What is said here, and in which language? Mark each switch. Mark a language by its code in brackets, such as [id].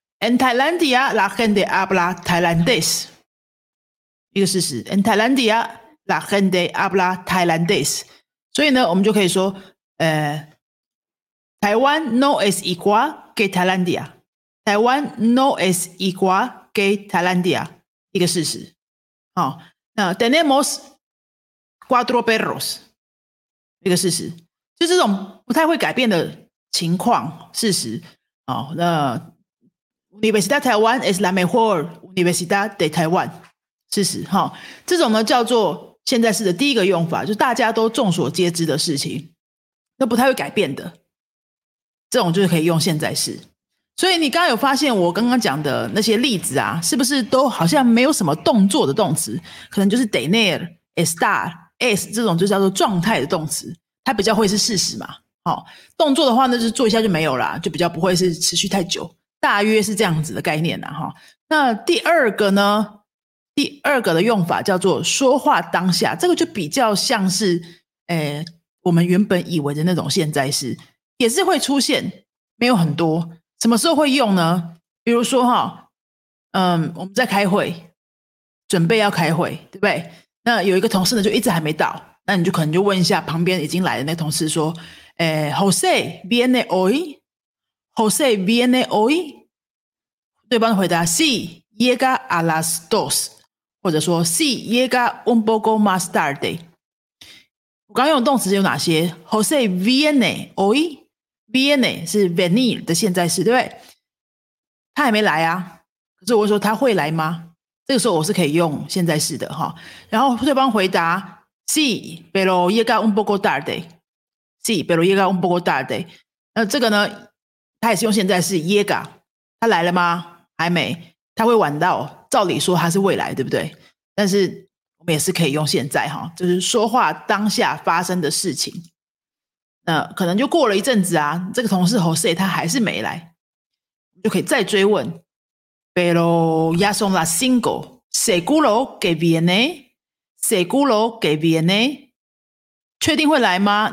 [es] en Tailandia la gente habla tailandés， [zh] 一个事实。 [es] en Tailandia la gente habla tailandés。 [zh] 所以呢，我们就可以说 [es] Taiwán no es igual que Tailandia， Taiwán no es igual que Tailandia， [zh] 一个事实。好，那 [es] tenemos cuatro perros， [zh] 一个事实。就这种不太会改变的情况事实。好，那 [es] Universidad Taiwán es la mejor Universidad de Taiwán， [zh] 事实。好，这种呢叫做现在式的第一个用法，就大家都众所皆知的事情，都不太会改变的，这种就是可以用现在式。所以你刚刚有发现我刚刚讲的那些例子啊，是不是都好像没有什么动作的动词，可能就是 tener、 estar、 es， 这种就叫做状态的动词，它比较会是事实嘛。哦，动作的话呢，就是做一下就没有啦，就比较不会是持续太久，大约是这样子的概念啦。哦，那第二个呢，第二个的用法叫做说话当下，这个就比较像是我们原本以为的那种现在式，也是会出现，没有很多。什么时候会用呢？比如说我们在开会，准备要开会，对不对？那有一个同事呢就一直还没到，那你就可能就问一下旁边已经来的那个同事说 [es] José viene hoy？ José viene hoy？ [zh] 对方回答 [es] Sí, llega a las dos， [zh] 或者说 [es] Sí, llega un poco más tarde。 [zh] 我刚用的动词有哪些？ [es] José viene hoy？ [zh] Viene 是 venir 的现在式，对不对？他还没来啊，可是我说他会来吗？这个时候我是可以用现在式的。然后对方回答 [es] Sí, pero llega un poco tarde。 Sí, pero llega un poco tarde。 [zh] 那这个呢，他也是用现在式 llega， 他来了吗？还没，他会晚到，照理说他是未来，对不对？但是我们也是可以用现在，就是说话当下发生的事情。那可能就过了一阵子啊，这个同事 Jose 他还是没来，就可以再追问 [es] Pero ya son las cinco， Seguro que viene， [zh] Seguro que viene， 确定会来吗？